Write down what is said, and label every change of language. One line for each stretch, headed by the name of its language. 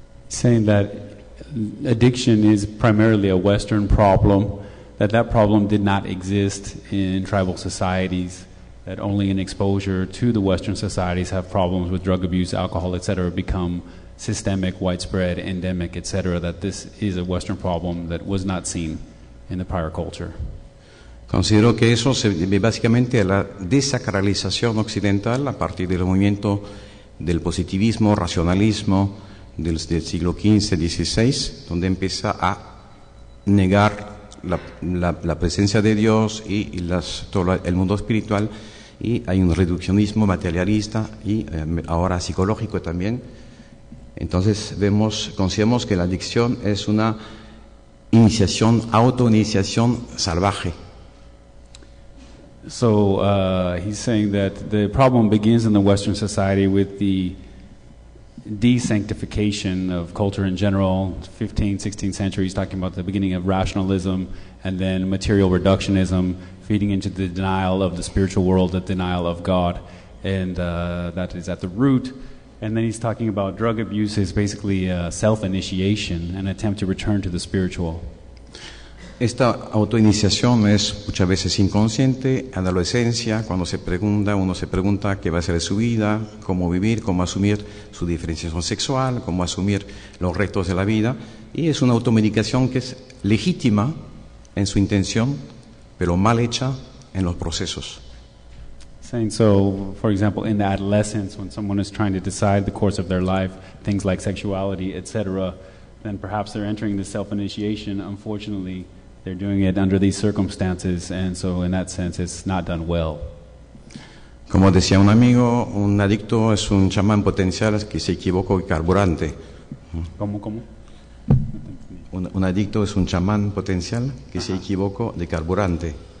English: Saying that addiction is primarily a Western problem, that problem did not exist in tribal societies that only in exposure to the Western societies have problems with drug abuse, alcohol, etc., become systemic, widespread, endemic, etc., that this is a Western problem that was not seen in the prior culture.
Spanish: Considero que eso se debe básicamente a la desacralización occidental a partir del movimiento del positivismo, racionalismo del siglo XV, XVI, donde empieza a negar la presencia de Dios y todo el mundo espiritual, y hay un reduccionismo materialista y ahora psicológico también. Entonces consideramos que la adicción es una iniciación, autoiniciación salvaje.
English: So he's saying that the problem begins in the Western society with the desanctification of culture in general, 15th, 16th centuries, talking about the beginning of rationalism and then material reductionism, feeding into the denial of the spiritual world, the denial of God, and that is at the root. And then he's talking about drug abuse is basically a self-initiation, an attempt to return to the spiritual.
Spanish: Esta autoiniciación es muchas veces inconsciente, adolescencia, cuando uno se pregunta qué va a ser de su vida, cómo vivir, cómo asumir su diferenciación sexual, cómo asumir los retos de la vida. Y es una automedicación que es legítima en su intención, pero mal hecha en los procesos.
English: Saying so, for example, in the adolescence, when someone is trying to decide the course of their life, things like sexuality, etc., then perhaps they're entering the self-initiation. Unfortunately, they're doing it under these circumstances, and so in that sense, it's not done well.
Spanish: Como decía un amigo, un adicto es un chamán potencial que se equivocó el carburante. ¿Cómo? Un adicto es un chamán potencial que se equivocó de carburante.